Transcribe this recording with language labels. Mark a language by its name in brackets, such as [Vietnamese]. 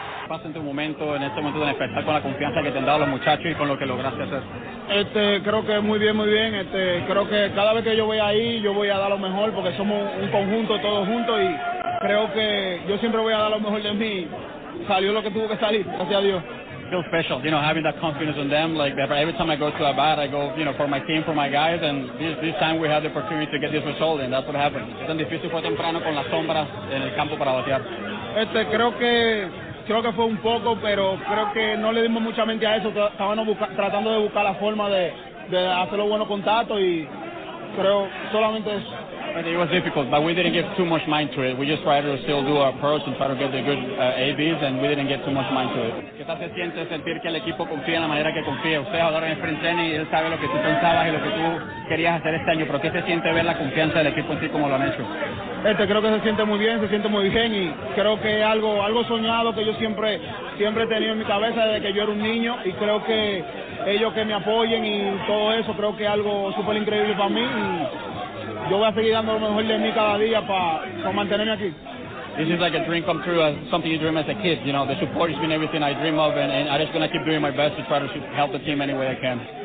[Spanish] Pasen tu momento en este momento de despertar con la confianza que te han dado los muchachos y con lo que lograste hacer. Creo que muy bien, muy bien. Creo que cada vez que yo voy ahí, yo voy a dar lo mejor porque somos un conjunto, todos juntos. Y creo que yo siempre voy a dar lo mejor de mí. Salió lo que tuvo que salir, gracias a Dios. [English] I feel special, you know, having that confidence in them. Like every time I go to a bat, I go, you know, for my team, for my guys. And this time we had the opportunity to get this result, and that's what happened. [Spanish] Es tan difícil fue temprano con las sombras en el campo para batear. Creo que fue un poco, pero creo que no le dimos mucha mente a eso. Estábamos tratando de buscar la forma de hacer los buenos contactos, y creo solamente eso. [English] It was difficult, but we didn't give too much mind to it. We just tried to still do our approach and try to get the good ABs, and we didn't get too much mind to it. [Spanish] ¿Qué tal se siente sentir que el equipo confía en la manera que confía? Usted ahora en el sprint training, él sabe lo que tú pensabas y lo que tú querías hacer este año, pero ¿qué se siente ver la confianza del equipo en ti como lo han hecho? Creo que se siente muy bien, y creo que es algo soñado que yo siempre he tenido en mi cabeza desde que yo era un niño, y creo que ellos que me apoyen y todo eso, creo que es algo súper increíble para mí, y yo voy a seguir dando lo mejor de mí cada día para mantenerme aquí. [English] This is like a dream come true, something you dream as a kid. You know, the support has been everything I dream of, and I'm just going to keep doing my best to try to help the team any way I can.